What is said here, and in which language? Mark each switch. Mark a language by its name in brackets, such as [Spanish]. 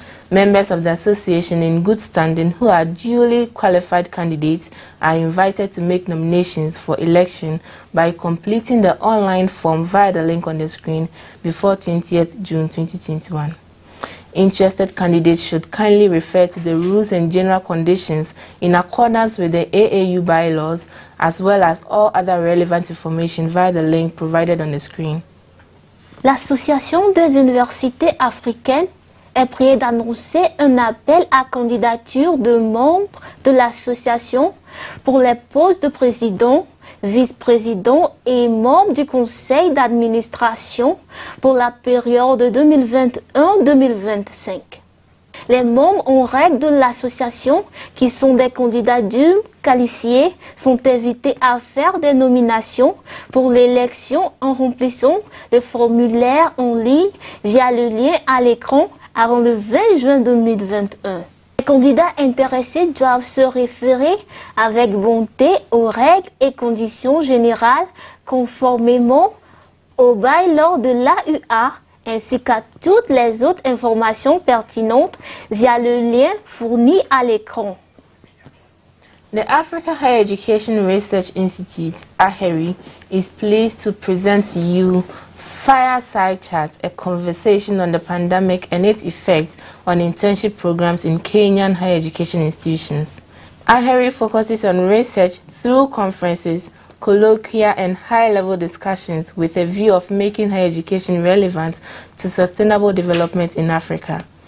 [English] Members of the association in good standing who are duly qualified candidates are invited to make nominations for election by completing the online form via the link on the screen before 20th June 2021. Interested candidates should kindly refer to the rules and general conditions in accordance with the AAU bylaws as well as all other relevant information via the link provided on the screen. [French] L'Association des universités africaines est prié d'annoncer un appel à candidature de membres de l'association pour les postes de président, vice-président et membre du conseil d'administration pour la période 2021-2025. Les membres en règle de l'association qui sont des candidats d'UM qualifiés sont invités à faire des nominations pour l'élection en remplissant le formulaire en ligne via le lien à l'écran avant le 20 juin 2021. Les candidats intéressés doivent se référer avec bonté aux règles et conditions générales conformément aux bylaws de l'AUA ainsi qu'à toutes les autres informations pertinentes via le lien fourni à l'écran. [English] The Africa Higher Education Research Institute, AHERI, is pleased to present to you Fireside Chat, a conversation on the pandemic and its effects on internship programs in Kenyan higher education institutions. AHERI focuses on research through conferences, colloquia and high-level discussions with a view of making higher education relevant to sustainable development in Africa.